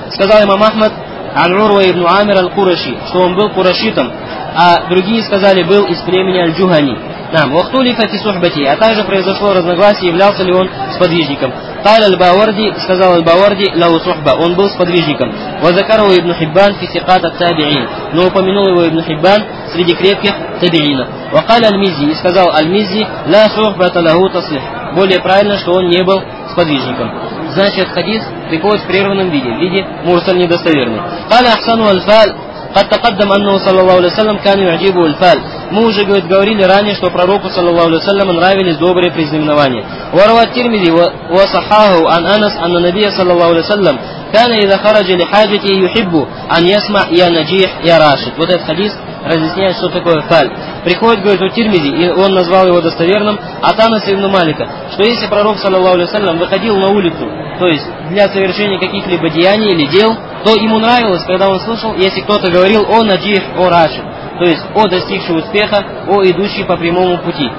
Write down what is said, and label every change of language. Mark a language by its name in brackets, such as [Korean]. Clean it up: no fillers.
[Russian] Сказал имам Ахмад, Ан-Урва ибн Амир аль-Кураши, что он был курашитом, а другие сказали, был из племени аль-Джугани. Ухтулифа фи сухбати, а также произошло разногласие, являлся ли он сподвижником. [Arabic] قال الباورди, [Russian] сказал [Arabic] الباورди, له صحبة, [Russian] он был сподвижником. [Arabic] وذكره ابن حبان في ثقات التابعين, [Russian] но упомянул его [Arabic] ابن حبان [Russian] среди крепких табиинов. [Arabic] وقال المزي, [Russian] сказал [Arabic] المزي, لا صحبة له تصلح, [Russian] более правильно, что он не был сподвижником. Значит, хадис приходит в прерванном виде, в виде мурсаль недостоверный. [Arabic] قال أحسن الفال, قد تقدم أنه صلى الله عليه وسلم كان يعجبه الفال. [Russian] Мы уже говорили ранее, что пророку [Arabic] صلى الله عليه وسلم [Russian] нравились добрые предзнаменования. [Arabic] وروى الترمذي وصححه عن أنس أن النبي صلى الله عليه وسلم كان إذا خرج لحاجته يحب أن يسمع يا نجيح يا راشد. [Russian] Вот этот хадис разъясняет, что такое фал. Приходит, говорит, у Тирмизи, и он назвал его достоверным, от Анаса ибн Малика, что если пророк, саллаллаху алейхи ва саллям, выходил на улицу, то есть для совершения каких-либо деяний или дел, то ему нравилось, когда он слышал, если кто-то говорил о наджих, о рашид, то есть о достигшем успеха, о идущем по прямому пути.